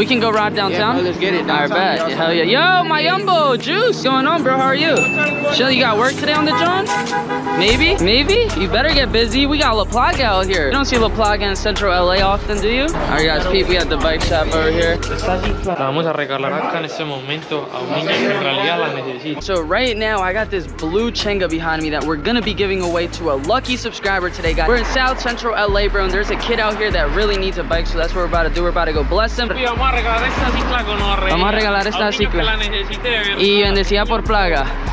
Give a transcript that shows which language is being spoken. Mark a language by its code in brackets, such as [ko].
[en] We can go ride downtown. Yeah, bro, let's get it. Alright, bet. Hell yeah. Yo, my Yumbo Juice. Going on, bro? How are you? Chill, you got work today on the John? Maybe? Maybe? You better get busy. We got La Plaga out here. You don't see La Plaga in Central LA often, do you? Alright, guys. Pete, we at the bike shop over here. [es] Vamos a regalar acá en ese momento a un niño que en realidad la necesita. [en] So right now I got this blue chenga behind me that we're gonna be giving away to a lucky subscriber today, guys. We're in South Central LA, bro, and there's a kid out here that really needs a bike, so that's what we're about to do. We're about to go bless him. [es] Vamos a regalar esta cicla. Y bendecida por Plaga.